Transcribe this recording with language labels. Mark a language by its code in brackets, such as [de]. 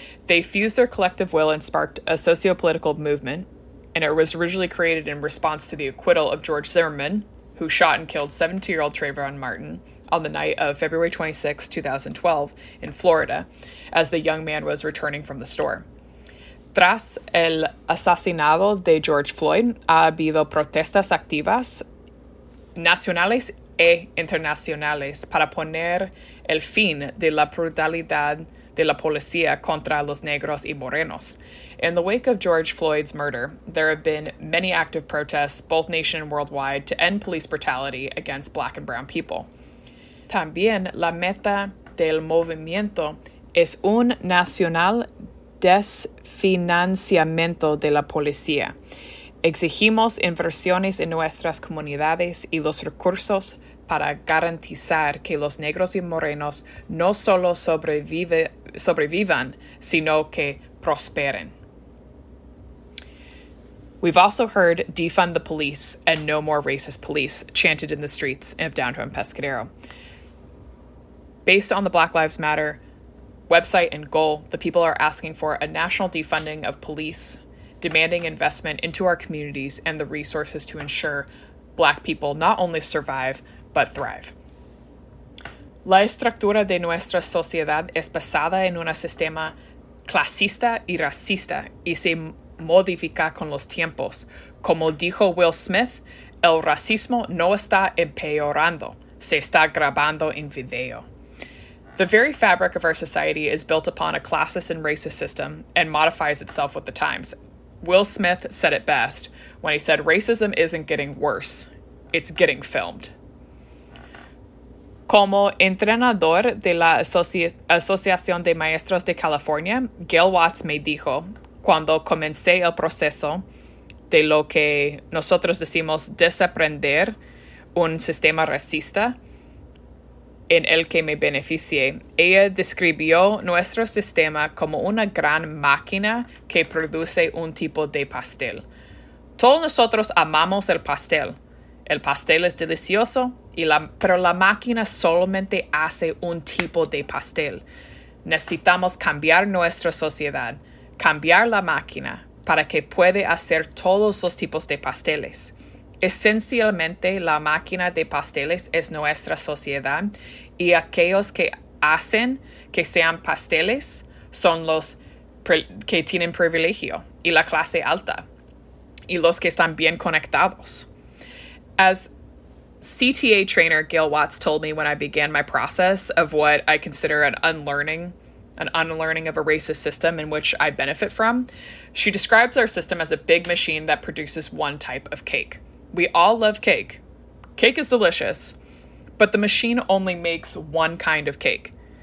[en] They fused their collective will and sparked a sociopolitical movement, and it was originally created in response to the acquittal of George Zimmerman, who shot and killed 72-year-old Trayvon Martin on the night of February 26, 2012, in Florida, as the young man was returning from the store. [es] Tras el asesinato de George Floyd, ha habido protestas activas nacionales e internacionales para poner el fin de la brutalidad de la policía contra los negros y morenos. [en] In the wake of George Floyd's murder, there have been many active protests, both nation and worldwide, to end police brutality against Black and brown people. [es] También la meta del movimiento es un nacional desfinanciamiento de la policía. Exigimos inversiones en nuestras comunidades y los recursos para garantizar que los negros y morenos no solo sobrevivan, sino que prosperen. [en] We've also heard defund the police and no more racist police chanted in the streets of downtown Pescadero. Based on the Black Lives Matter website and goal, the people are asking for a national defunding of police, demanding investment into our communities and the resources to ensure Black people not only survive, but thrive. [es] La estructura de nuestra sociedad es basada en un sistema clasista y racista y se modifica con los tiempos. Como dijo Will Smith, el racismo no está empeorando, se está grabando en video. [en] The very fabric of our society is built upon a classist and racist system and modifies itself with the times. Will Smith said it best when he said, racism isn't getting worse, it's getting filmed. [es] Como entrenador de la Asociación de Maestros de California, Gail Watts me dijo, cuando comencé el proceso de lo que nosotros decimos desaprender un sistema racista en el que me beneficié, ella describió nuestro sistema como una gran máquina que produce un tipo de pastel. Todos nosotros amamos el pastel. El pastel es delicioso, pero la máquina solamente hace un tipo de pastel. Necesitamos cambiar nuestra sociedad, cambiar la máquina para que pueda hacer todos los tipos de pasteles. Esencialmente, la máquina de pasteles es nuestra sociedad y aquellos que hacen que sean pasteles son los que tienen privilegio y la clase alta y los que están bien conectados. [en] As CTA trainer Gail Watts told me when I began my process of what I consider an unlearning of a racist system in which I benefit from, she describes our system as a big machine that produces one type of cake. We all love cake. Cake is delicious, but the machine only makes one kind of cake.